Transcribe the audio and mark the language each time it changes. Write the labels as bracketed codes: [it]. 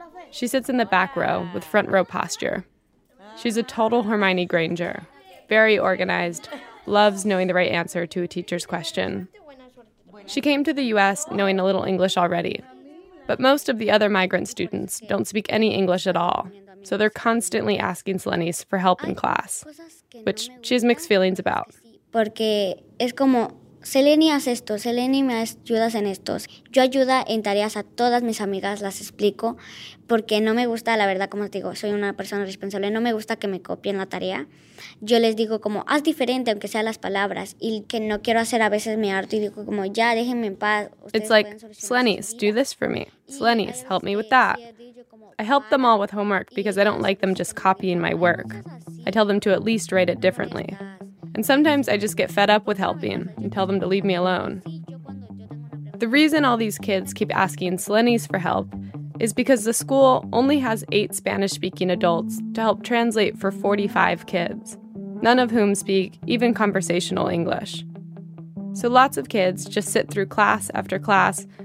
[en] She sits in the back row with front row posture. She's a total Hermione Granger, very organized, loves knowing the right answer to a teacher's question. She came to the U.S. knowing a little English already, but most of the other migrant students don't speak any English at all. So they're constantly asking Selenis for help in class, which she has mixed feelings about. [es] Porque es como Selenis hace esto, Selenis me ayuda en estos. Yo ayuda en tareas a todas mis amigas, las explico, porque no me gusta, la verdad, como te digo, soy una persona responsable, no me gusta que me copien la tarea. Yo les digo como haz diferente aunque sean las palabras y que no quiero hacer a veces me harto y digo como ya déjenme en paz. [en] It's like Selenis, do this for me. Selenis, help me with that. I help them all with homework because I don't like them just copying my work. I tell them to at least write it differently. And sometimes I just get fed up with helping and tell them to leave me alone. The reason all these kids keep asking Selenis for help is because the school only has 8 Spanish-speaking adults to help translate for 45 kids, none of whom speak even conversational English. So lots of kids just sit through class after class